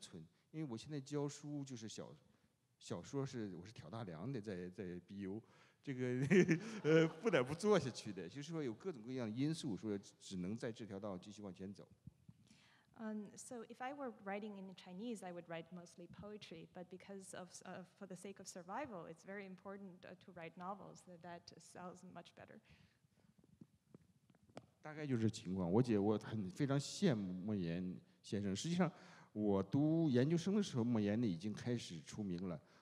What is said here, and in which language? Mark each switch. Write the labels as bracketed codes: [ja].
[zh] 但是说这个问题也不是那么简单，你说是有没有这个就是一种负罪感呢？也有，因为我觉得汉语有很多很多机会。实际上，我要是如果用汉语写作的话，我可能我会集中写诗，不写小说。但是你的生存，因为我现在教书就是小。小说是我是挑大梁的在BU，这个不得不做下去的，就是说有各种各样的因素，说只能在这条道继续往前走。 [en] So if I were writing in Chinese, I would write mostly poetry. But because of for the sake of survival, it's very important to write novels. That sells much better. [zh] 大概就是情况。我姐，我很非常羡慕莫言先生。实际上，我读研究生的时候，莫言已经开始出名了。